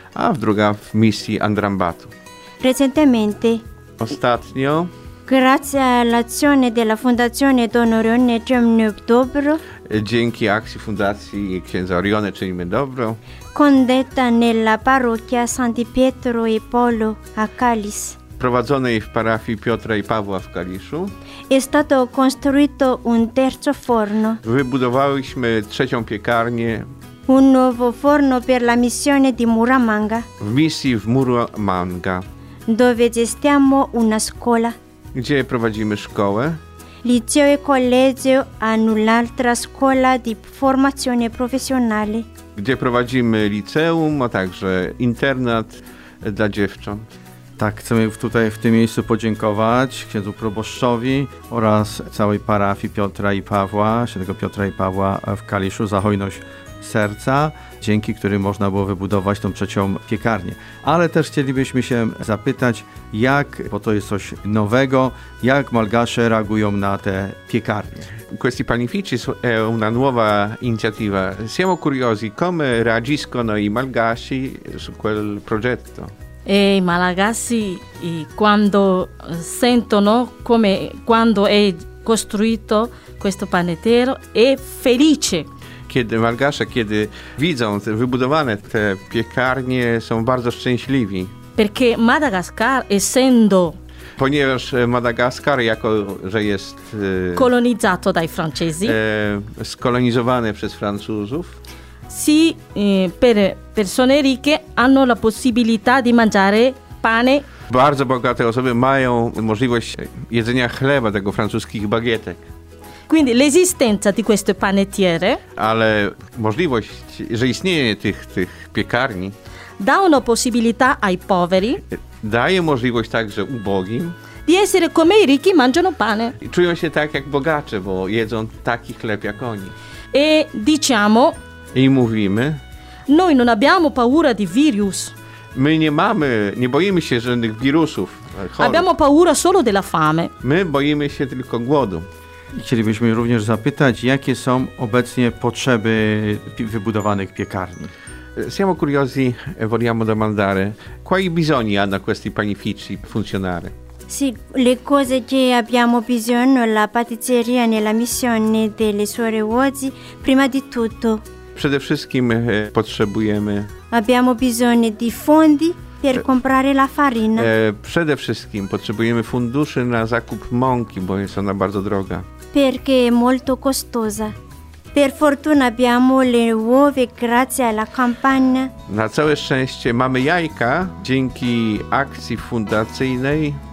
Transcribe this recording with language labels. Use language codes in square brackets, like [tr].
[pl] A druga w misji Andrambatu. [it] Recentemente. [pl] Ostatnio. [it] Grazie all'azione della Fondazione Don Orione Cemne Dobro. [pl] Dzięki akcji Fundacji Księdza Orione Czynimy Dobro. [it] Condetta nella parrocchia Santi Pietro e Paolo a Calis. [pl] Prowadzonej w parafii Piotra i Pawła w Kaliszu. [it] È stato costruito un terzo forno. [pl] Wybudowaliśmy trzecią piekarnię. [it] Un nuovo forno per la missione di Muramanga. [pl] W misji w Muramanga. [it] Dove gestiamo una scuola. [pl] Gdzie prowadzimy szkołę? [it] Liceo e collegio hanno un'altra scuola di formazione professionale. [pl] Gdzie prowadzimy liceum, a także internat dla dziewcząt. Tak, chcemy tutaj w tym miejscu podziękować księdzu proboszczowi oraz całej parafii Piotra i Pawła, świętego Piotra i Pawła w Kaliszu za hojność serca, dzięki którym można było wybudować tą trzecią piekarnię. Ale też chcielibyśmy się zapytać, jak, bo to jest coś nowego, jak Malgasze reagują na te piekarnie. [it] Questi panifici è una nuova iniziativa. Siamo curiosi come reagiscono i malgasci su quel progetto. E i malagasi quando sentono come quando è costruito questo panettiere è felice. [pl] Kiedy malgasze, kiedy widzą te wybudowane te piekarnie, są bardzo szczęśliwi. [it] Perché Madagascar, essendo... [pl] Ponieważ Madagaskar, jako że jest... [it] Kolonizzato dai francesi. [pl] Skolonizowany przez Francuzów. [it] Sì, per persone ricche hanno la possibilità di mangiare pane. [pl] Bardzo bogate osoby mają możliwość jedzenia chleba, tego francuskich bagietek. [it] Quindi l'esistenza di queste panettiere. [pl] Ale możliwość, że istnieje tych piekarni. [it] Da una possibilità ai poveri. [pl] Daje możliwość także ubogim. [it] Di essere come i ricchi mangiano pane. [pl] I czują się tak jak bogacze, bo jedzą taki chleb jak oni. [it] E diciamo... [pl] I mówimy. [it] Noi non abbiamo paura di virus. [pl] My nie mamy, nie boimy się żadnych wirusów. [it] Abbiamo paura solo della fame. [pl] My boimy się tylko głodu. I chcielibyśmy również zapytać, jakie są obecnie potrzeby wybudowanych piekarni. [it] Siamo curiosi, vogliamo domandare, quali bisogni hanno questi panifici funzionare? Sì, le cose che abbiamo bisogno, la patisseria nella missione delle suore Wozi, prima di tutto. [pl] Przede wszystkim potrzebujemy... [it] Abbiamo bisogno di fondi per comprare la farina. [pl] Przede wszystkim potrzebujemy funduszy na zakup mąki, bo jest ona bardzo droga. [it] Perché è molto costosa. Per fortuna abbiamo le uova grazie alla campagna. [pl] Na całe szczęście mamy jajka dzięki akcji fundacyjnej.